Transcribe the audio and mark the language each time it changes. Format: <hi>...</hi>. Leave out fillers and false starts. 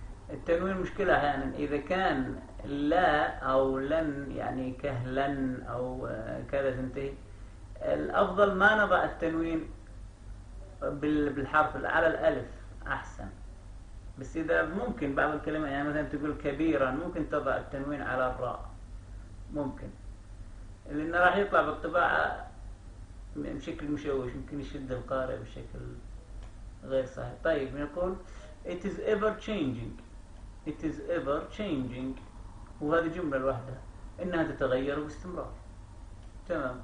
<ar>التنوين مشكلة أحيانا، يعني إذا كان لا أو لن يعني كهلن أو كذا تنتهي، الأفضل ما نضع التنوين بالحرف، على الألف أحسن. بس إذا ممكن بعض الكلمات، يعني مثلا تقول كبيرا ممكن تضع التنوين على الراء، ممكن، لأنه راح يطلع بالطباعة بشكل مشوش، ممكن يشد القارئ بشكل غير صحيح. طيب نقول</ar> <en>it is ever changing, it is ever changing.</en> <ar>وهذه جملة واحدة إنها تتغير باستمرار. تمام.</ar>